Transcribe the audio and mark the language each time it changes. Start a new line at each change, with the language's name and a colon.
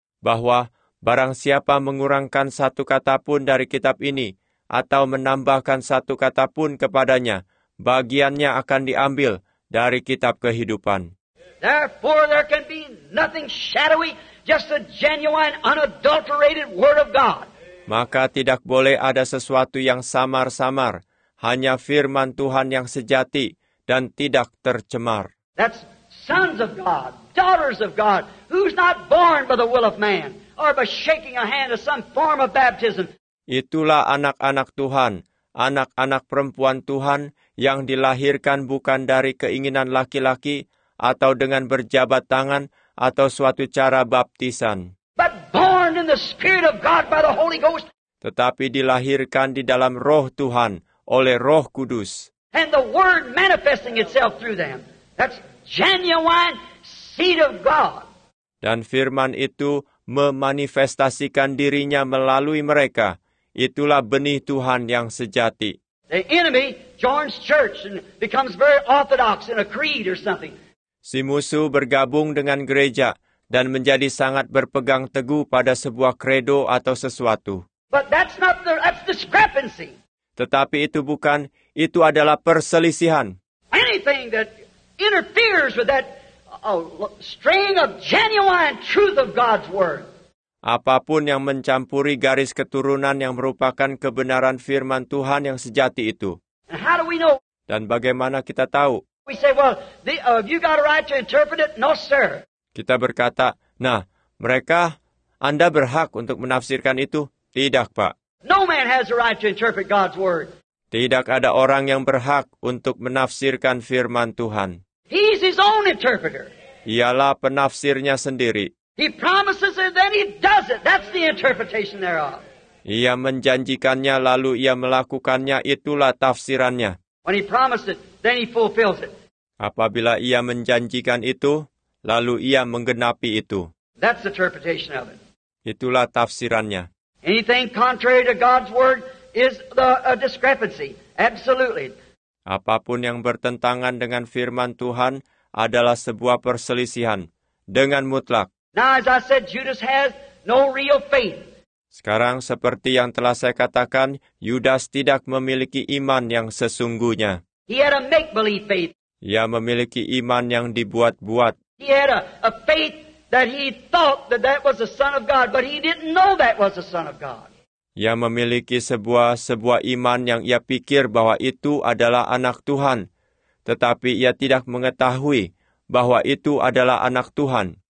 Indonesian: Bahwa barang siapa mengurangkan satu kata pun dari kitab ini atau menambahkan satu kata pun kepadanya, bagiannya akan diambil dari kitab kehidupan.
English: Therefore there can be nothing shadowy, just a genuine unadulterated word of God.
Indonesian: Maka tidak boleh ada sesuatu yang samar-samar, hanya firman Tuhan yang sejati dan tidak tercemar.
English: That's sons of God, daughters of God, who's not born by the will of man or by shaking a hand or some form of baptism.
Indonesian: Itulah anak-anak Tuhan, anak-anak perempuan Tuhan yang dilahirkan bukan dari keinginan laki-laki atau dengan berjabat tangan atau suatu cara baptisan.
English: But born in the Spirit of God by the Holy Ghost.
Indonesian: Tetapi dilahirkan di dalam Roh Tuhan oleh Roh Kudus.
English: And the Word manifesting itself through them. That's genuine seed of God.
Indonesian: Dan firman itu memanifestasikan dirinya melalui mereka. Itulah benih Tuhan yang sejati.
English: The enemy joins church and becomes very orthodox in a creed or something.
Indonesian: Si musuh bergabung dengan gereja dan menjadi sangat berpegang teguh pada sebuah kredo atau sesuatu.
English: But that's the discrepancy.
Indonesian: Tetapi itu bukan, itu adalah perselisihan.
English: Anything that interferes with that string of genuine truth of God's word.
Indonesian: Apapun yang mencampuri garis keturunan yang merupakan kebenaran firman Tuhan yang sejati itu.
English: And how do we know?
Indonesian: Dan bagaimana kita tahu?
English: We say, well, have you got a right to interpret it? No, sir.
Indonesian: Kita berkata, nah, mereka, Anda berhak untuk menafsirkan itu? Tidak, Pak.
English: No man has a right to interpret God's word.
Indonesian: Tidak ada orang yang berhak untuk menafsirkan firman Tuhan.
English: He's his own interpreter.
Indonesian: Ialah penafsirnya sendiri.
English: He promises it, then he does it. That's the interpretation thereof.
Indonesian: Ia menjanjikannya, lalu ia melakukannya, itulah tafsirannya.
English: When he promised it, then he fulfills it.
Indonesian: Apabila ia menjanjikan itu, lalu ia menggenapi itu.
English: That's the interpretation of it.
Indonesian: Itulah tafsirannya.
English: Anything contrary to God's word is a discrepancy. Absolutely.
Indonesian: Apapun yang bertentangan dengan firman Tuhan adalah sebuah perselisihan dengan mutlak.
English: Now, as I said, Judas has no real faith.
Indonesian: Sekarang, seperti yang telah saya katakan, Yudas tidak memiliki iman yang sesungguhnya.
English: He had a make-believe faith.
Indonesian: Ia memiliki iman yang dibuat-buat.
English: He had a faith that he thought that was the Son of God, but he didn't know that was the Son of God.
Indonesian: Ia memiliki sebuah iman yang ia pikir bahwa itu adalah anak Tuhan, tetapi ia tidak mengetahui bahwa itu adalah anak Tuhan.